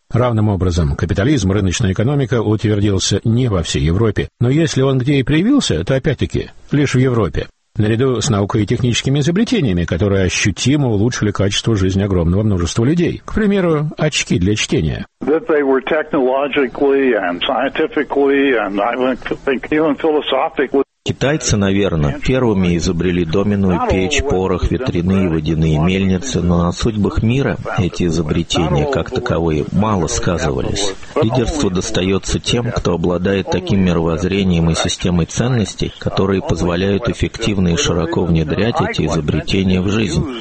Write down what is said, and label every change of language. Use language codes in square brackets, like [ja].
[ru] Равным образом, капитализм, рыночная экономика утвердился не во всей Европе, но если он где и проявился, то опять-таки лишь в Европе. Наряду с наукой и техническими изобретениями, которые ощутимо улучшили качество жизни огромного множества людей. К примеру, очки для чтения. [en] That they were technologically and scientifically and I think even philosophically. [ru] Китайцы, наверное, первыми изобрели доменную печь, порох, ветряны и водяные мельницы, но на судьбах мира эти изобретения, как таковые, мало сказывались. Лидерство достается тем, кто обладает таким мировоззрением и системой ценностей, которые позволяют эффективно и широко внедрять эти изобретения в жизнь.